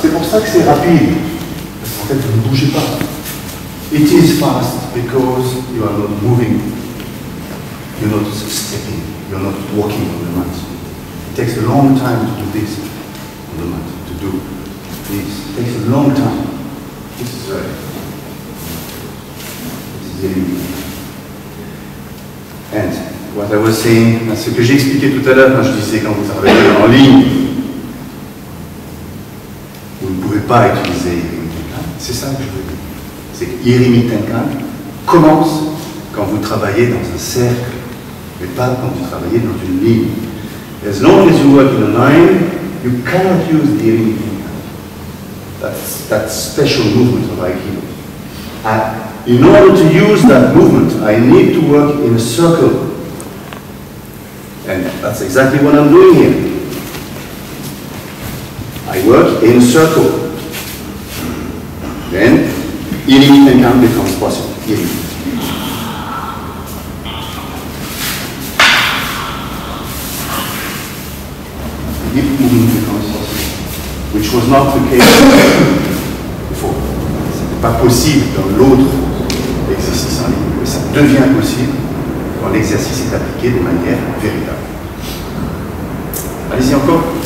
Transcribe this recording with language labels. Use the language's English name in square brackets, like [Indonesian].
[French] C'est pour ça que c'est rapide. Parce qu'en fait, vous ne bougez pas. [English] It is fast because you are not moving. You're not stepping. You're not walking on the mat. It takes a long time to do this on the mat. To do this. It takes a long time. This is right. This is it. And what I was saying, [French] ce que j'expliquais tout à l'heure quand je disais quand vous travaillez en ligne, pas utiliser Irimitenkan. C'est ça que je veux dire. C'est que Irimitenkan commence quand vous travaillez dans un cercle, mais pas quand vous travaillez dans une ligne. [English] As long as you work in a line, you cannot use the Irimitenkan. That special movement of Aikido. In order to use that movement, I need to work in a circle. And that's exactly what I'm doing here. I work in a circle. Then, Irimitenkan becomes possible. Irimitenkan. Hip movement becomes possible. Which was not the case before. [French] Ce n'était pas possible dans l'autre exercice en ligne. Mais ça devient possible quand l'exercice est appliqué de manière véritable. Allez-y encore.